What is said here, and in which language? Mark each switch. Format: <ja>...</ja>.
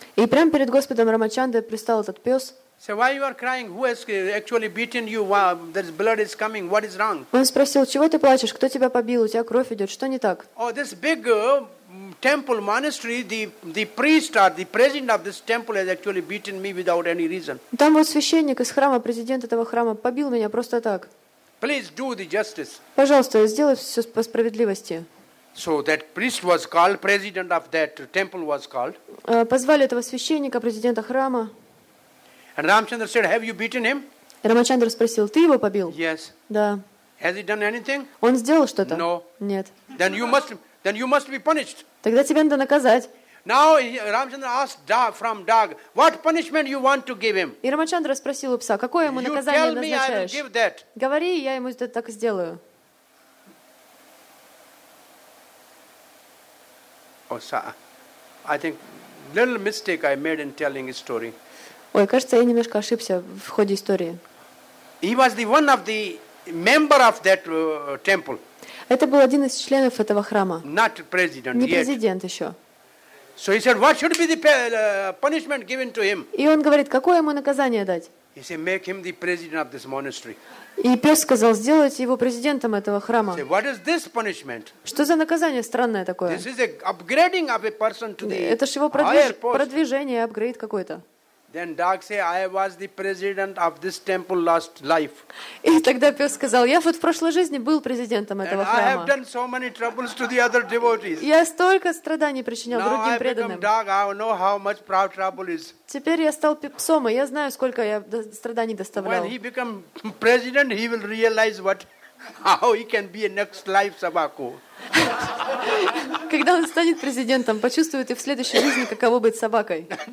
<ru>И прямо перед господом Рамачандры пристал этот пес.</ru> <en>So why you are crying? Who has actually beaten you? There's blood is coming. What is wrong?</en> <ru>Он спросил, чего ты плачешь? Кто тебя побил? У тебя кровь идет. Что не так?</ru> <en>Oh, this big temple monastery, the priest or the president of this temple has actually beaten me without any reason.</en> <ru>Там вот священник из храма, президент этого храма, побил меня просто так.</ru> <en>Please do the justice.</en> <ru>Пожалуйста, сделай все по справедливости.</ru> <en>So that priest was called, president of that temple was called.</en> <ru>Позвали этого священника, президента храма.</ru> <en>And Ramchandra said, "Have you beaten him?"</en> <ru>Рамачандра спросил, ты его побил?</ru> <en>Yes.</en> <ru>Да.</ru> <en>Has he done anything?</en> <ru>Он сделал что-то?</ru> <en>No.</en> <ru>Нет.</ru> <en>Then you must be punished.</en> <ru>Тогда тебя надо наказать.</ru> <en>Now Ramchandra asked from dog, "What punishment you want to give him?"</en> <ru>И Рамачандра спросил у пса, какое ему наказание назначаешь?</ru> <en>You tell me, I will give that.</en> <ru>Говори, я ему это так сделаю.</ru> <en>Oh, sir, I think little mistake I made in telling a story.</en> <ru>Ой, кажется, я немножко ошибся в ходе истории.</ru> <en>He was the one of the member of that temple.</en> <ru>Это был один из членов этого храма.</ru> <en>Not president.</en> <ru>Не президент еще.</ru> <en>So he said, "What should be the punishment given to him?"</en> <ru>И он говорит, какое ему наказание дать?</ru> <en>He said, "Make him the president of this monastery."</en> <ru>И пес сказал, сделайте его президентом этого храма.</ru> <en>Say, "What is this punishment?"</en> <ru>Что за наказание странное такое?</ru> <en>This is an upgrading of a person to the higher post.</en> <ru>Это ж его продвижение, апгрейд какой-то.</ru> <en>Then dog say, "I was the president of this temple last life."</en> <ru>И тогда пес сказал, я вот в прошлой жизни был президентом этого храма.</ru> <en>And I have done so many troubles to the other devotees.</en> <ru>Я столько страданий причинял другим преданным.</ru> <en>Now I become dog. I know how much trouble is.</en> <ru>Теперь я стал псом, и я знаю, сколько я страданий доставлял.</ru> <en>When he become president, he will realize how he can be a next life собаку.</en> <ru>Когда он станет президентом, почувствует и в следующей жизни, каково быть собакой.</ru>